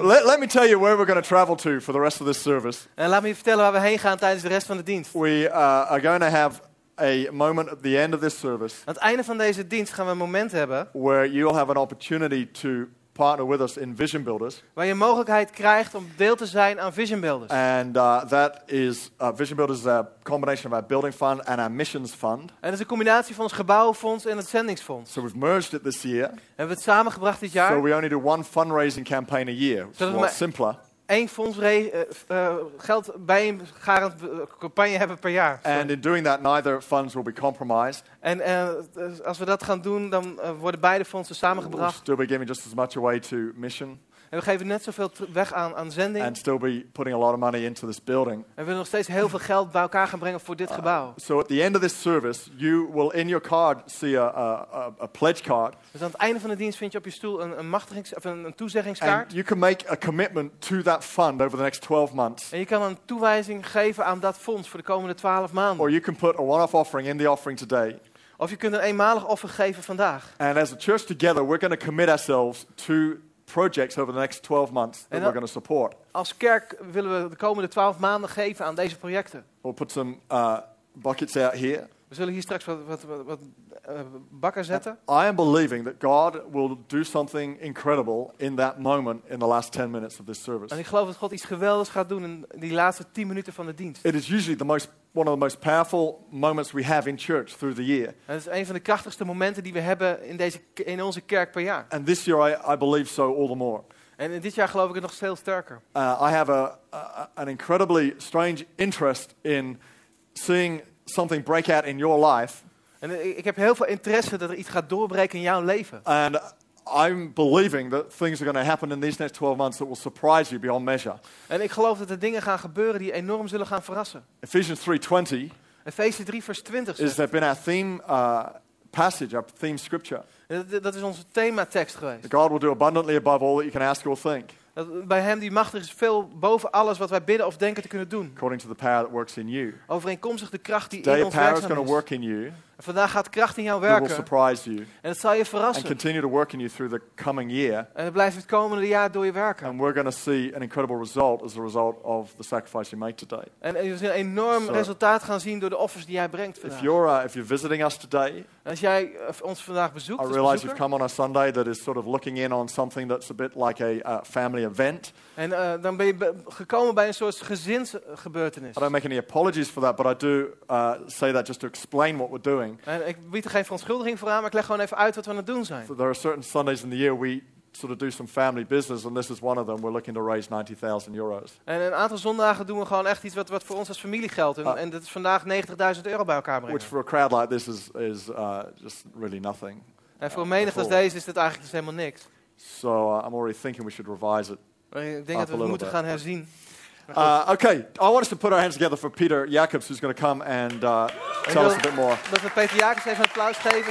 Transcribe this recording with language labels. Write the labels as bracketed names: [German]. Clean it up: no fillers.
[English] Let me tell you where we're going to travel to for the rest of this service. [Dutch] En laat me vertellen waar we heen gaan tijdens de rest van de dienst. [English] We are going to have a moment at the end of this service. [Dutch] Aan het einde van deze dienst gaan we een moment hebben. [English] Where you will have an opportunity to partner with us in Vision Builders. [Dutch] Waar je mogelijkheid krijgt om deel te zijn aan Vision Builders. [English] And that is Vision Builders is a combination of our building fund and our missions fund. [Dutch] En dat is een combinatie van ons gebouwfonds en het zendingsfonds. [English] So we've merged it this year. [Dutch] Hebben we het samengebracht dit jaar? [English] So we only do one fundraising campaign a year. It's a lot simpler. [Dutch] Eén fonds geld bij een garant campagne hebben per jaar. [English] And in doing that, neither funds will be compromised. [Dutch] En als we dat gaan doen, dan worden beide fondsen samengebracht. [English] We'll still be giving just as much away to mission. [Dutch] En we geven net zoveel weg aan zending. [English] And still be putting a lot of money into this building. [Dutch] En we willen nog steeds heel veel geld bij elkaar gaan brengen voor dit gebouw. [English] So at the end of this service, you will in your card see a pledge card. [Dutch] Dus aan het einde van de dienst vind je op je stoel een toezeggingskaart. [English] And you can make a commitment to that fund over the next 12 months. [Dutch] En je kan een toewijzing geven aan dat fonds voor de komende 12 maanden. [English] Or you can put a one-off offering in the offering today. [Dutch] Of je kunt een eenmalig offer geven vandaag. [English] And as a church together, we're going to commit ourselves to projects over the next 12 months that we're going to support. [Dutch] Als kerk willen we de komende 12 maanden geven aan deze projecten. [English] We'll put some buckets out here. [Dutch] We zullen hier straks wat bakken zetten. [English] I am believing that God will do something incredible in that moment in the last 10 minutes of this service. [Dutch] En ik geloof dat God iets geweldigs gaat doen in die laatste 10 minuten van de dienst. [English] It is usually one of the most powerful moments we have in church through the year. [Dutch] En het is een van de krachtigste momenten die we hebben in onze kerk per jaar. [English] And this year I believe so all the more. [Dutch] En in dit jaar geloof ik het nog veel sterker. [English] I have an incredibly strange interest in seeing something break out in your life. [Dutch] En ik heb heel veel interesse dat er iets gaat doorbreken in jouw leven. [English] And I'm believing that things are going to happen in these next 12 months that will surprise you beyond measure. [Dutch] En ik geloof dat er dingen gaan gebeuren die enorm zullen gaan verrassen. [English] Ephesians 3:20 is that been our theme passage, our theme scripture. [Dutch] Dat is onze thematekst geweest. [English] God will do abundantly above all that you can ask or think. [Dutch] Bij hem die machtig is veel boven alles wat wij bidden of denken te kunnen doen. [English] According to the power that works in you. [Dutch] Overeenkomstig de kracht die [English] today [Dutch] in ons werkzaam [English] is. Going to work in you. [Dutch] En vandaag gaat kracht in jou werken. [English] Will surprise you. [Dutch] En het zal je verrassen. [English] And continue to work in you through the coming year. [Dutch] En het blijft het komende jaar door je werken. [English] And we're going to see an incredible result as a result of the sacrifice you make today. [Dutch] En je zult een enorm resultaat gaan zien door de offers die jij brengt vandaag. [English] If you're visiting us today. [Dutch] Als jij ons vandaag bezoekt. [English] I realize you've come on a Sunday that is sort of looking in on something that's a bit like a family event. [Dutch] En dan ben je gekomen bij een soort gezinsgebeurtenis. [English] I don't make any apologies for that, but I do say that just to explain what we're doing. [Dutch] En ik bied er geen verontschuldiging voor aan, maar ik leg gewoon even uit wat we aan het doen zijn. [English] So there are certain Sundays in the year we sort of do some family business, and this is one of them. We're looking to raise 90,000 euros. [Dutch] En een aantal zondagen doen we gewoon echt iets wat voor ons als familie geldt. En dat is vandaag 90.000 euro bij elkaar brengen. [English] Which for a crowd like this is just really nothing. [Dutch] En voor een menigte als deze is dat eigenlijk dus helemaal niks. [English] So I'm already thinking we should revise it. [Dutch] Ik denk dat we het moeten gaan herzien. [English] Okay, I want us to put our hands together for Peter Jacobs, who's going to come and tell us a bit more. [Dutch] Dat we Peter Jacobs even een applaus geven.